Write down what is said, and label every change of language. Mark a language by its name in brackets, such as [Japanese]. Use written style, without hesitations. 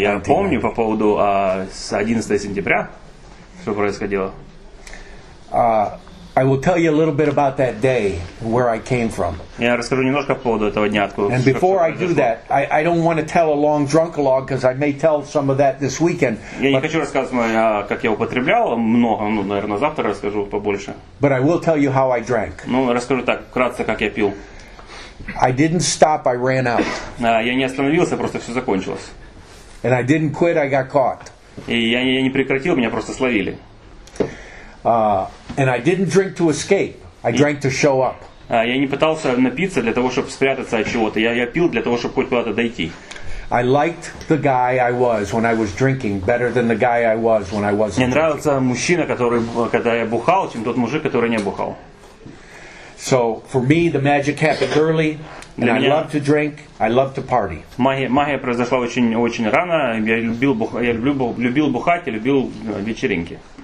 [Russian] Я помню по поводу 11 сентября. Что происходило? [English] I will tell you a little bit about that day, where I came from. [Russian] Я расскажу немножко по поводу этого дня, откуда. [English] And before I do that, I don't want to tell a long drunk log because I may tell some of that this weekend. [Russian] Я не хочу рассказывать, как я употреблял много, наверное, завтра расскажу побольше. [English] But I will tell you how I drank. [Russian] Ну, расскажу так кратко, как я пил. [English] I didn't stop, I ran out. [Russian] Я не остановился, просто все закончилось. [English] And I didn't quit, I got caught. [Russian] И я не прекратил, меня просто словили. [English] And I didn't drink to escape. I drank to show up. [Russian] Я не пытался напиться для того, чтобы спрятаться от чего-то. Я пил для того, чтобы хоть куда-то дойти. [English] I liked the guy I was when I was drinking better than the guy I was when I wasn't. [Russian] Мне нравился мужчина, когда я бухал, чем тот мужик, который не бухал. [English] So for me, the magic happened early. And I love to drink. I love to party. [Russian] Магия произошла очень рано. Я любил бухать, я любил вечеринки.